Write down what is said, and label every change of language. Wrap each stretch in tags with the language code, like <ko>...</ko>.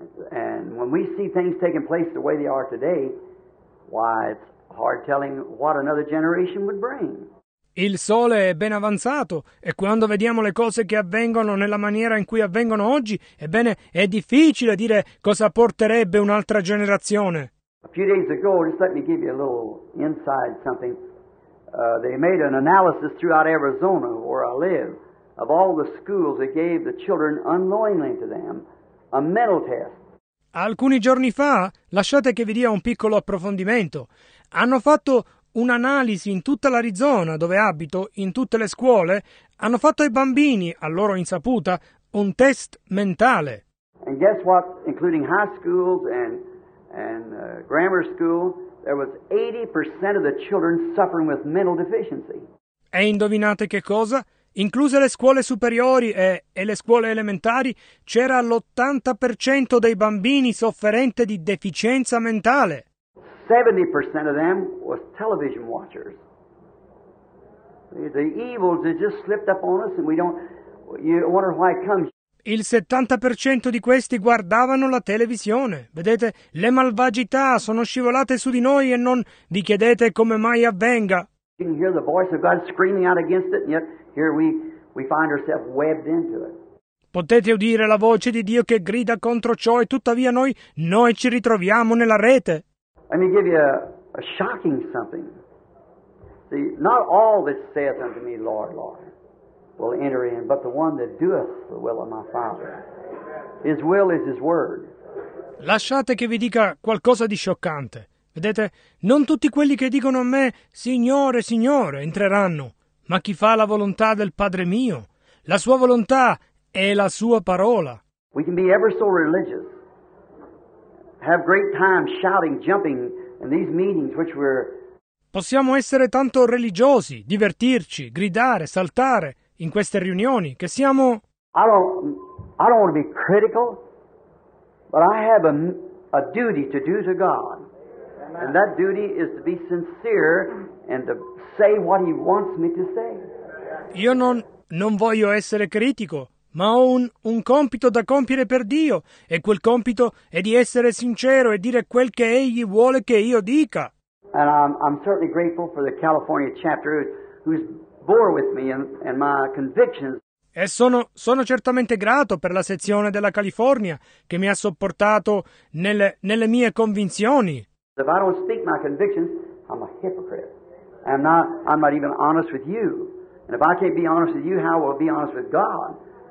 <en>And when we see things taking place the way they are today, why, it's hard telling what another generation would bring.</en> <it>Il sole è ben avanzato e quando vediamo le cose che avvengono nella maniera in cui avvengono oggi, ebbene, è difficile dire cosa porterebbe un'altra generazione.</it> <en>A few days ago, just let me give you a little inside something. They made an analysis throughout Arizona, where I live, of all the schools that gave the children unknowingly to them a mental test.</en> <it>Alcuni giorni fa, lasciate che vi dia un piccolo approfondimento. Hanno fatto un'analisi in tutta l'Arizona, dove abito, in tutte le scuole, hanno fatto ai bambini, a loro insaputa, un test mentale.</it> <en>And guess what, including high schools and grammar school, there was 80% of the children suffering with mental deficiency.</en> <it>E indovinate che cosa? Incluse le scuole superiori e le scuole elementari, c'era l'80% dei bambini sofferente di deficienza mentale.</it> <en>70% of them was television watchers. The evils that just slipped up on us and you wonder why it comes.</en> <it>Il 70% di questi guardavano la televisione. Vedete, le malvagità sono scivolate su di noi e non vi chiedete come mai avvenga.</it> <en>You can hear the voice of God screaming out against it, and yet here we find ourselves webbed into it.</en> <it>Potete udire la voce di Dio che grida contro ciò e tuttavia noi ci ritroviamo nella rete.</it> <en>Let me give you a shocking something. See, not all that saith unto me, Lord, Lord, will enter in, but the one that doeth the will of my Father. His will is His word.</en> <it>Lasciate che vi dica qualcosa di scioccante. Vedete, non tutti quelli che dicono a me, Signore, Signore, entreranno, ma chi fa la volontà del Padre mio. La sua volontà è la sua parola.</it> <en>We can be ever so religious, have great time shouting, jumping in these meetings which we're.</en> <it>Possiamo essere tanto religiosi, divertirci, gridare, saltare in queste riunioni che siamo.</it> <en>I don't want to be critical, but I have a duty to do to God, and that duty is to be sincere and to say what He wants me to say.</en> <it>Io non voglio essere critico. Ma ho un compito da compiere per Dio, e quel compito è di essere sincero e dire quel che Egli vuole che io dica.</it> <en>And I'm certainly grateful for the California chapter who's bore with me and my convictions.</en> <it>E sono certamente grato per la sezione della California che mi ha sopportato nelle mie convinzioni.</it> <en>If I don't speak my convictions, I'm a hypocrite. I'm not even honest with you. And if I can't be honest with you, how will I be honest with God?</en>